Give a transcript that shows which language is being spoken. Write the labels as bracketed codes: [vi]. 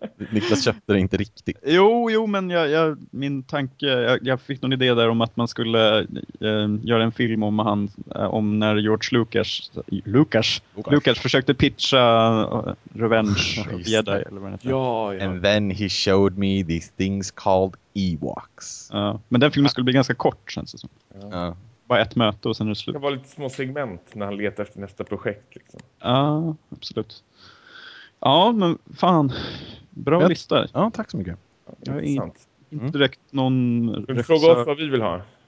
[sv] Niklas köpte det inte riktigt. Jo men min tanke... Jag fick någon idé där om att man skulle göra en film om han... om när George Lucas försökte pitcha Revenge of the Jedi, eller vad det heter. Ja. [en] And then he showed me these things called Ewoks. [sv] Men den filmen skulle bli ganska kort, känns det som. Bara ett möte och sen är det slut. Det var lite små segment när han letar efter nästa projekt. Ja, liksom. Absolut. Ja, men fan. Bra lista. Ja, tack så mycket. Jag är inte direkt någon... Fråga oss vad vi vill ha.